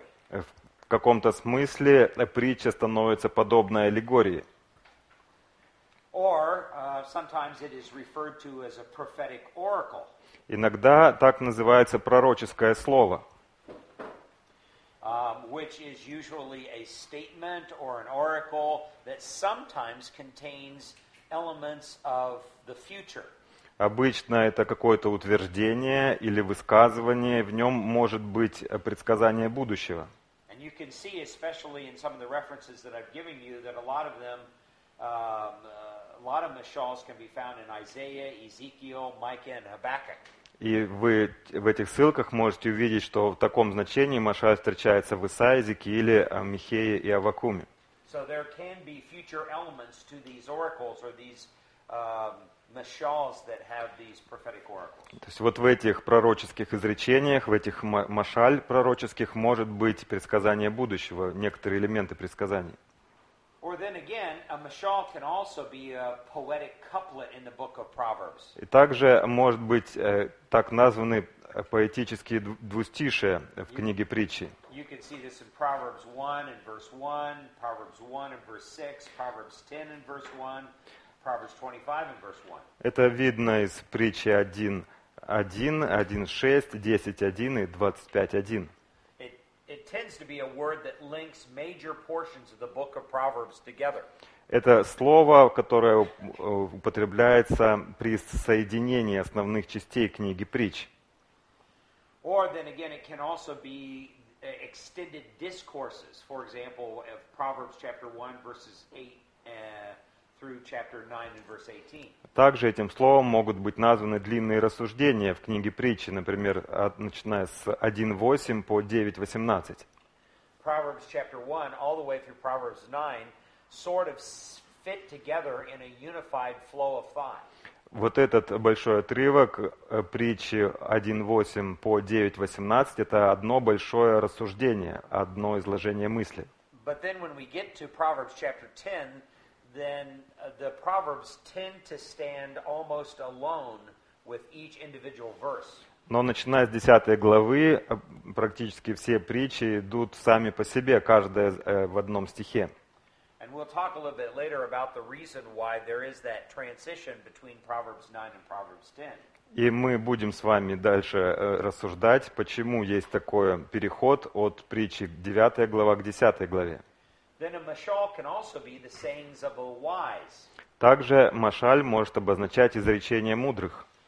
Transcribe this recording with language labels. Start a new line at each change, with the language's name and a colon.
Russian: В каком-то смысле притча становится подобной аллегории.
English: Or sometimes it is referred to as a prophetic oracle.
Russian: Иногда так называется пророческое слово.
English: Which is usually a statement or an oracle that sometimes contains elements of the future.
Russian: Обычно это какое-то утверждение или высказывание, в нем может быть предсказание будущего.
English: And you can see, especially in some of the references that I've given you, that a lot of them, a lot of mashals can be found in Isaiah, Ezekiel, Micah, and Habakkuk.
Russian: И вы в этих ссылках можете увидеть, что в таком значении машаль встречается в Исаии, Иезекииле, Михее и Аввакуме.
English: So there can be future elements to these oracles or these mashals that have these prophetic oracles.
Russian: То есть вот в этих пророческих изречениях, в этих машаль пророческих может быть предсказание будущего, некоторые элементы предсказаний.
English: Or then again, a mashal can also be a poetic couplet in the book of Proverbs.
Russian: И также может быть так названы поэтические двустишия в книге притчи.
English: You can see this in Proverbs 1 and verse 1, Proverbs 1 and verse 6, Proverbs 10 and verse 1, Proverbs 25 and verse 1.
Russian: Это видно из притчи 1:1, 1:6, 10:1 и 25:1.
English: It tends to be a word that links major portions of the book of Proverbs together.
Russian: Это слово, которое употребляется при соединении основных частей книги притч.
English: Or then again, it can also be extended discourses. For example, of Proverbs chapter 1, verses 8 through chapter 9 and verse 18.
Russian: Также этим словом могут быть названы длинные рассуждения в книге Притчи, например, начиная с 1:8 по 9:18.
English: Proverbs chapter 1 all the way through Proverbs 9 sort of fit together in a unified flow of thought.
Russian: Вот этот большой отрывок притчи 1:8 по 9:18 – это одно большое рассуждение, одно изложение мысли.
English: But then when we get to Proverbs chapter 10, then the Proverbs tend to stand almost alone with each individual verse.
Russian: Но начиная с 10 главы, практически все притчи идут сами по себе, каждая в одном стихе.
English: And we'll talk a little bit later about the reason why there is that transition between Proverbs 9 and Proverbs 10.
Russian: И мы будем с вами дальше рассуждать, почему есть такой переход от притчи 9 глава к 10 главе.
English: Then a mashal can also be the sayings of the wise.
Russian: Также машаль может обозначать изречение мудрых.